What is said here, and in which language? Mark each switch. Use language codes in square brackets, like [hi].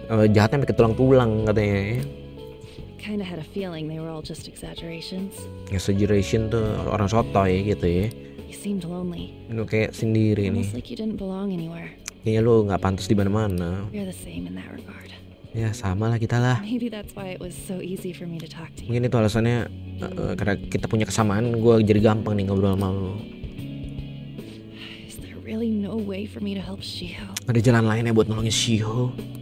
[id] Jahatnya sampai ke tulang-tulang, katanya. [en] Kind of had a feeling they were all just exaggerations. [id] Exaggeration tuh orang sotoy, ya, gitu ya. [en] You seemed lonely. [id] Lu kayak sendiri nih. [en] Almost like you didn't belong anywhere. [id] Kayaknya lu nggak pantas di mana-mana. [en] You're the same in that regard. [id] Ya, sama lah kita lah. [en] Maybe that's why it was so easy for me to talk to you. [id] Mungkin itu alasannya karena kita punya kesamaan, gue jadi gampang nih ngobrol sama lu. [en] really no way for me to help Shio. [id] Ada jalan lainnya buat nolongin Shio.